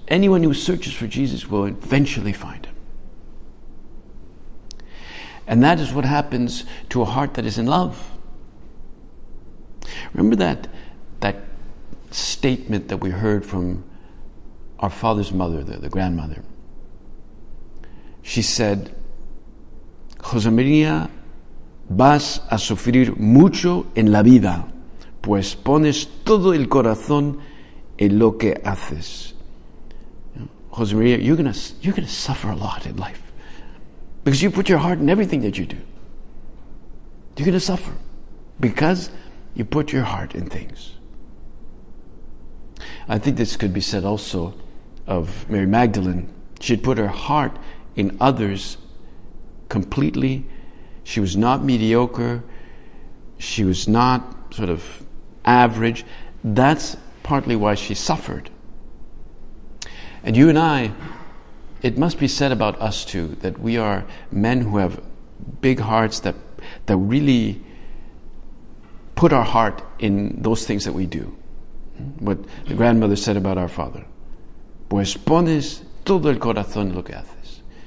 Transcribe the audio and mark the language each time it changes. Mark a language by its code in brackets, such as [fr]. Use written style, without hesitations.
[en] Anyone who searches for Jesus will eventually find him. And that is what happens to a heart that is in love. Remember that statement that we heard from our father's mother, the grandmother. She said, [es] José María, vas a sufrir mucho en la vida, pues pones todo el corazón en lo que haces. [en] José María, you're gonna suffer a lot in life because you put your heart in everything that you do. You're going to suffer because you put your heart in things. I think this could be said also of Mary Magdalene. She had put her heart in others completely. She was not mediocre. She was not sort of average. That's partly why she suffered. And you and I, it must be said about us too, that we are men who have big hearts that really put our heart in those things that we do. What the grandmother said about our father. [es] Pues pones todo el corazón en lo que haces.